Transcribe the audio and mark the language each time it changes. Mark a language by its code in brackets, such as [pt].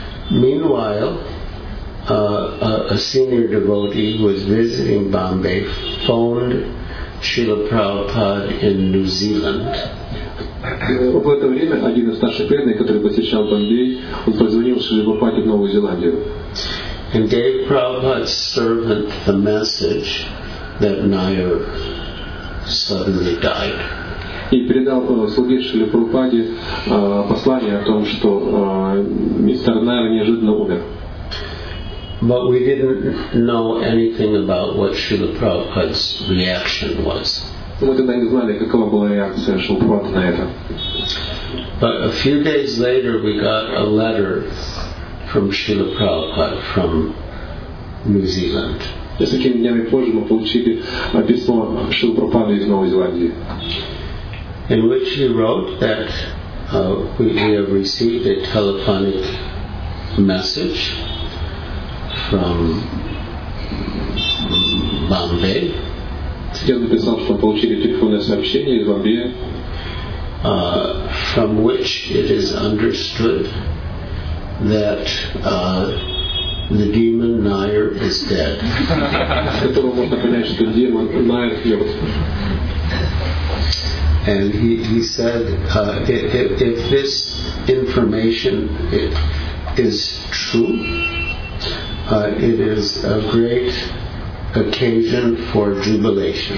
[en] Meanwhile, a senior devotee who was visiting Bombay phoned Srila Prabhupada in New Zealand. [ru] В это время один из старших преданных, который посещал Бомбей, он позвонил Шриле Прабхупаде в Новую Зеландию. [en] And gave Prabhupada's servant the message that Nair suddenly died. [ru] И передал слуге Шриле Прабхупаде послание о том, что мистер Найер неожиданно умер. [en] But we didn't know anything about what Srila Prabhupada's reaction was. [ru] Мы тогда не знали, какова была реакция Шрилы Прабхупады на это. [en] But a few days later we got a letter from Srila Prabhupada from New Zealand. [ru] Несколькими днями позже мы получили письмо Шрилы Прабхупады из Новой Зеландии. [en] In which he wrote that we have received a telephonic message from Bombay. [ru] Я написал, что мы получили телефонное сообщение из Бомбея. [en] From which it is understood that the demon Nair is dead. [ru] Которого можно понять, что демон Nair мертв. [en] And he said, if this information is true, it is a great occasion for jubilation.